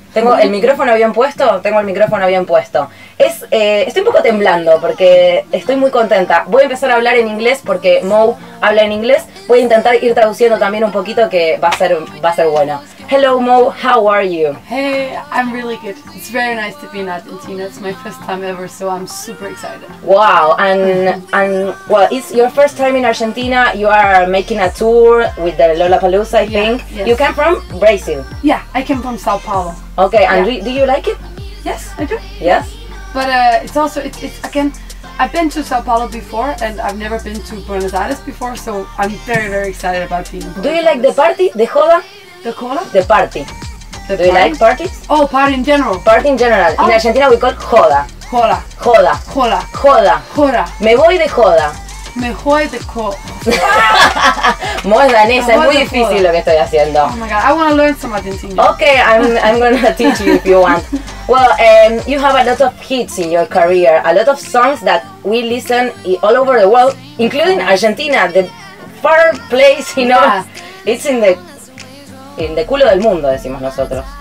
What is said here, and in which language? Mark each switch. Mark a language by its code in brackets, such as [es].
[es] Tengo el micrófono bien puesto, estoy un poco temblando porque estoy muy contenta. Voy a empezar a hablar en inglés porque Mou habla en inglés. Voy a intentar ir traduciendo también un poquito, que va a ser bueno. [en] Hello Mou, how are you? Hey, I'm really good. It's very nice to be in Argentina. It's my first time ever, so I'm super excited. Wow, and well, it's your first time in Argentina. You are making a tour with the Lollapalooza, I think. Yes. You came from Brazil. Yeah, I came from Sao Paulo. Okay, and yeah. do you like it? Yes, I do. Yes. But it's I've been to Sao Paulo before and I've never been to Buenos Aires before, so I'm very, very excited about being in Buenos Do you Aires. Like the party? The joda? The cola? The party. The party? You like parties? Oh, party in general. Party in general. Oh. In Argentina we call joda. [es] Joda. Joda. Joda. Joda. Joda. Me voy de joda. Me voy de Mo es danesa, es muy difícil lo que estoy haciendo. [en] Oh my god, I want to learn some Argentinian. Okay, I'm going to teach you if you want. Well, you have a lot of hits in your career, a lot of songs that we listen all over the world, including Argentina, the far place, you know. Yeah. It's in the [es] culo del mundo, decimos nosotros.